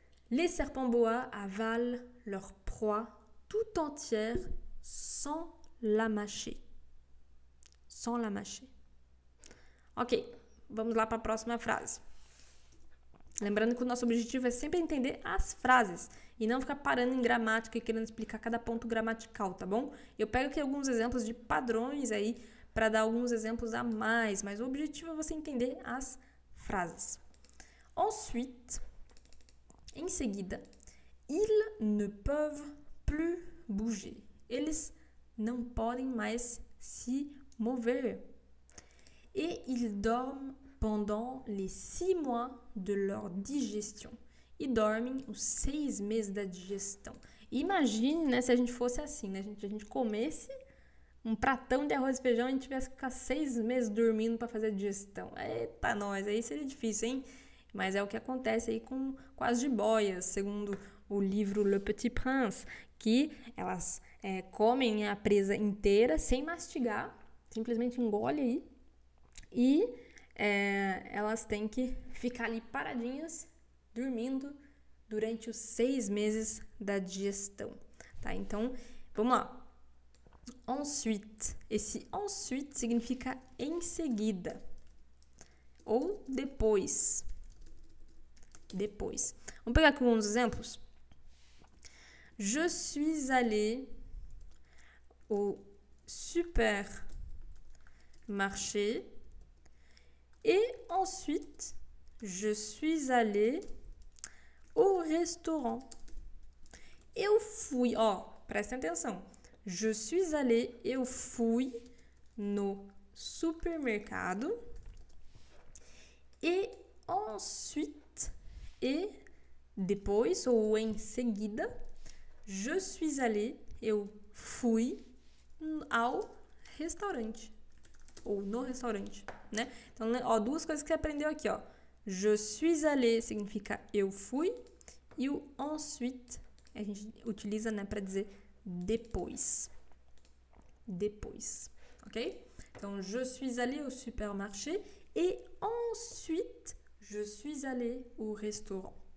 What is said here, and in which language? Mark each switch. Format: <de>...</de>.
<fr>Les serpents bois avalent leur proie tout entière sans la mâcher.</fr> <pt>Ok, vamos lá para a próxima frase. Lembrando que o nosso objetivo é sempre entender as frases e não ficar parando em gramática e querendo explicar cada ponto gramatical, tá bom? Eu pego aqui alguns exemplos de padrões aí para dar alguns exemplos a mais, mas o objetivo é você entender as frases. Ensuite. Em seguida,</pt> <fr>ils ne peuvent plus bouger.</fr> <pt>Eles não podem mais se mover.</pt> <fr>Et ils dorment pendant les 6 mois de leur digestion.</fr> <pt>E dormem os 6 meses da digestão. Imagine, né, se a gente fosse assim, né? A gente comesse um pratão de arroz e feijão e a gente tivesse que ficar 6 meses dormindo para fazer a digestão. Eita, nós, aí seria difícil, hein? Mas é o que acontece aí com as jiboias, segundo o livro Le Petit Prince, que elas comem a presa inteira sem mastigar, simplesmente engole aí, e elas têm que ficar ali paradinhas, dormindo, durante os 6 meses da digestão. Tá? Então, vamos lá. Ensuite. Esse ensuite significa em seguida, ou depois. Depois. Vamos pegar aqui alguns exemplos.</pt> <fr>Je suis allée au supermarché et ensuite je suis allée au restaurant.</fr> <pt>Eu fui, ó, prestem atenção.</pt> <fr>Je suis allée,</fr> <pt>eu fui no supermercado</pt> <fr>Et ensuite,</fr> <pt>et depois, ou em seguida,</pt> <fr>je suis allé,</fr> <pt>eu fui ao restaurante. Ou no restaurante, né? Então, ó, duas coisas que você aprendeu aqui, ó.</pt> <fr>Je suis allé</fr> <pt>significa eu fui. E o ensuite, a gente utiliza, né, para dizer depois. Depois, ok? Então,</pt> <fr>je suis allé au supermarché. Et ensuite, je suis allé au restaurant.</fr>